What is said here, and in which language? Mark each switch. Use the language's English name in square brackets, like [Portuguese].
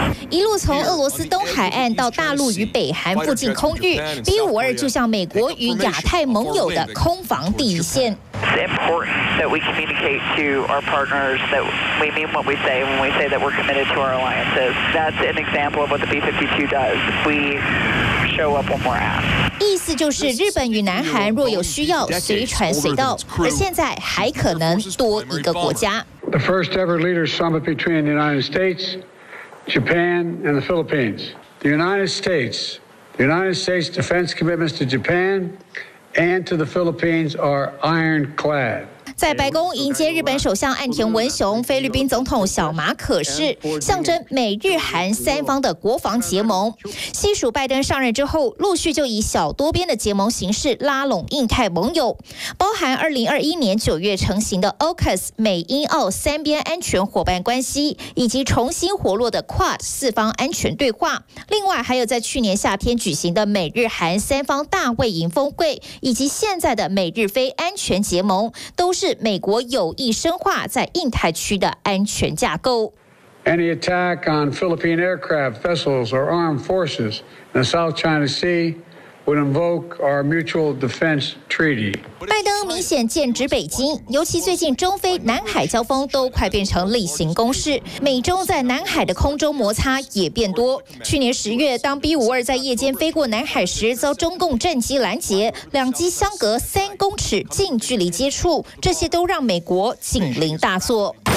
[Chinese] 一路从俄罗斯东海岸到大陆与北韩附近空域 ，B-52 就像美国与亚太盟友的空防第一线。 [English] It's important that we communicate to our partners that we mean what we say when we say that we're committed to our alliances. That's an example of what the B-52 does. We show up when we're asked. [Chinese] 意思就是日本与南韩若有需要随传随到，而现在还可能多一个国家。 [English] The first ever leaders summit between the United States, Japan, and the Philippines. The United States defense commitments to Japan and to the Philippines are ironclad. [Chinese] 在白宫迎接日本首相岸田文雄、菲律宾总统小马可士，象征美日韩三方的国防结盟。西属拜登上任之后，陆续就以小多边的结盟形式拉拢印太盟友，包含2021年9月成型的 AUKUS 美英澳三边安全伙伴关系，以及重新活络的 QUAD 四方安全对话。另外还有在去年夏天举行的美日韩三方大卫营峰会，以及现在的美日非安全结盟，都是美国有意深化在印太区的安全架构。 [English] Any attack on Philippine aircraft, vessels, or armed forces in the South China Sea would invoke our mutual defense treaty. [Chinese] 拜登明显剑指北京，尤其最近中非南海交锋都快变成例行公事，美中在南海的空中摩擦也变多。去年十月，当 B-52 在夜间飞过南海时，遭中共战机拦截，两机相隔3公尺近距离接触，这些都让美国警铃大作。